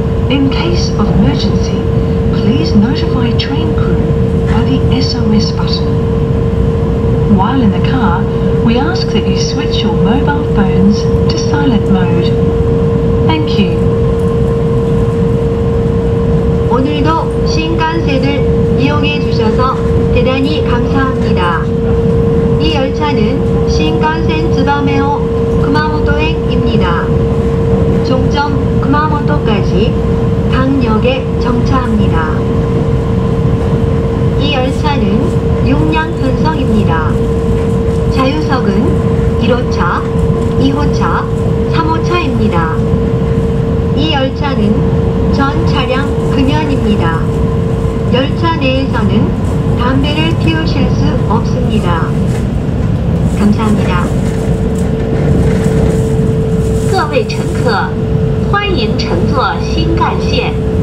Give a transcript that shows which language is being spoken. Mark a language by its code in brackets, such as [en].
[en] In case of emergency, please notify train crew by the SOS button. While in the car, we ask that you switch your mobile phones to silent mode. Thank you. [ko] 오늘도 신칸센을 이용해 주셔서 대단히 감사합니다. 이 열차는 신칸센 쯔바메호 구마모토행입니다. 종점 구마모토까지 당역에 정차합니다. 이 열차는 용량 편성입니다. 자유석은 1호차, 2호차, 3호차입니다. 이 열차는 전 차량 금연입니다. 열차 내에서는 담배를 피우실 수 없습니다. 감사합니다. [zh] 各位乘客，欢迎乘坐新干线。